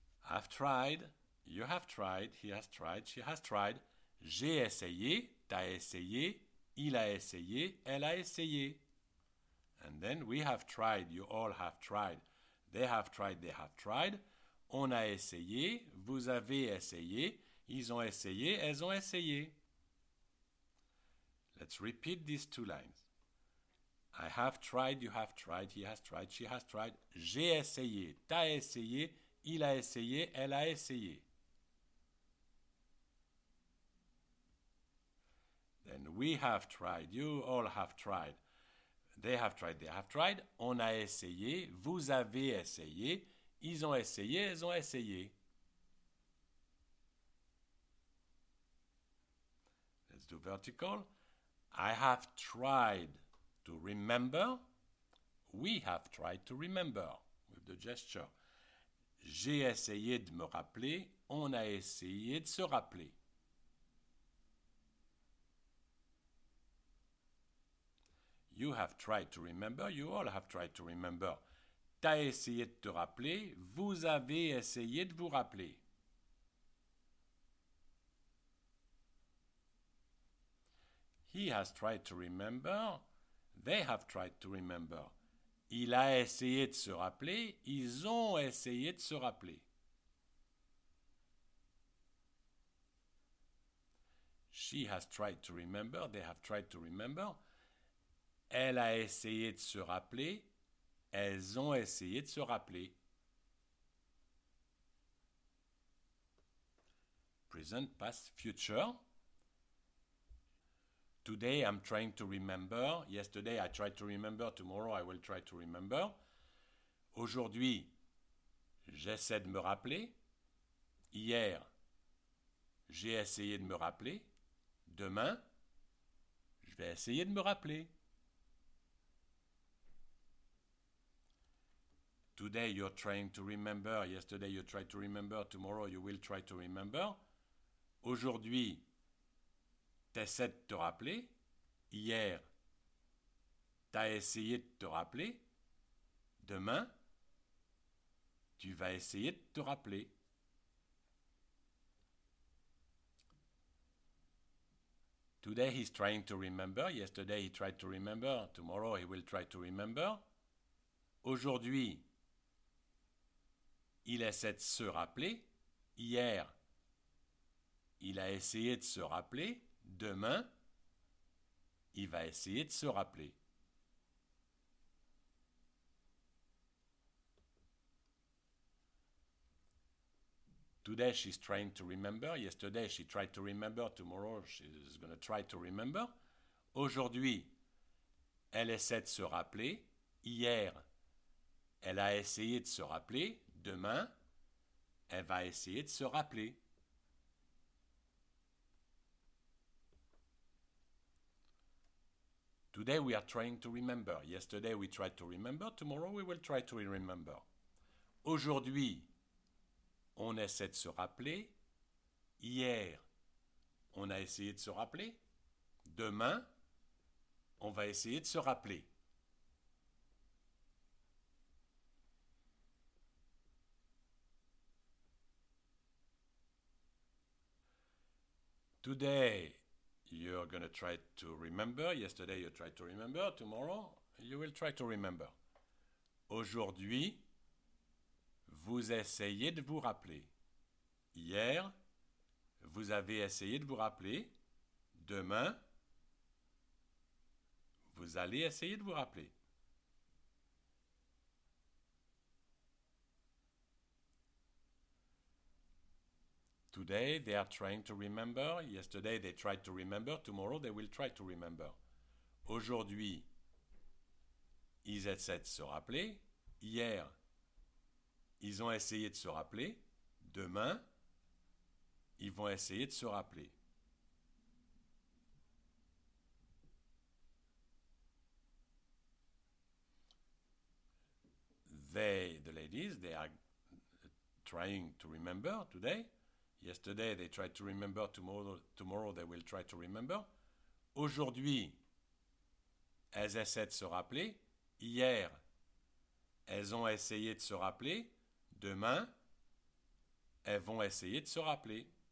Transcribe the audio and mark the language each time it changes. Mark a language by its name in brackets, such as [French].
[English] I've tried, you have tried, he has tried, she has tried. [French] J'ai essayé, t'as essayé, il a essayé, elle a essayé. [English] And then we have tried, you all have tried. They have tried, they have tried. [French] On a essayé, vous avez essayé, ils ont essayé, elles ont essayé. [English] Let's repeat these two lines. I have tried, you have tried, he has tried, she has tried. [French] J'ai essayé, t'as essayé, il a essayé, elle a essayé. [English] Then we have tried, you all have tried. They have tried, they have tried. [French] On a essayé, vous avez essayé, ils ont essayé, elles ont essayé. [English] Let's do vertical. I have tried to remember. We have tried to remember with the gesture. [French] J'ai essayé de me rappeler. On a essayé de se rappeler. [English] You have tried to remember. You all have tried to remember. [French] T'as essayé de te rappeler. Vous avez essayé de vous rappeler. [English] He has tried to remember. They have tried to remember. [French] Il a essayé de se rappeler. Ils ont essayé de se rappeler. [English] She has tried to remember. They have tried to remember. [French] Elle a essayé de se rappeler. Elles ont essayé de se rappeler. [English] Present, past, future. Today I'm trying to remember. Yesterday I tried to remember. Tomorrow I will try to remember. [French] Aujourd'hui, j'essaie de me rappeler. Hier, j'ai essayé de me rappeler. Demain, je vais essayer de me rappeler. [English] Today you're trying to remember. Yesterday you tried to remember. Tomorrow you will try to remember. [French] Aujourd'hui, t'essaies de te rappeler. Hier, t'as essayé de te rappeler. Demain, tu vas essayer de te rappeler. [English] Today he's trying to remember. Yesterday he tried to remember. Tomorrow he will try to remember. [French] Aujourd'hui, il essaie de se rappeler. Hier, il a essayé de se rappeler. Demain, il va essayer de se rappeler. [English] Today she's trying to remember. Yesterday she tried to remember. Tomorrow she's going to try to remember. [French] Aujourd'hui, elle essaie de se rappeler. Hier, elle a essayé de se rappeler. Demain, elle va essayer de se rappeler. [English] Today we are trying to remember. Yesterday we tried to remember. Tomorrow we will try to remember. [French] Aujourd'hui, on essaie de se rappeler. Hier, on a essayé de se rappeler. Demain, on va essayer de se rappeler. [English] Today, you're going to try to remember. Yesterday, you tried to remember. Tomorrow, you will try to remember. [French] Aujourd'hui, vous essayez de vous rappeler. Hier, vous avez essayé de vous rappeler. Demain, vous allez essayer de vous rappeler. [English] Today, they are trying to remember. Yesterday, they tried to remember. Tomorrow, they will try to remember. [French] Aujourd'hui, ils essaient de se rappeler. Hier, ils ont essayé de se rappeler. Demain, ils vont essayer de se rappeler. [English] They, the ladies, they are trying to remember today. Yesterday, they tried to remember. Tomorrow, they will try to remember. [French] Aujourd'hui, Elles essaient de se rappeler hier. Elles ont essayé de se rappeler demain. Elles vont essayer de se rappeler.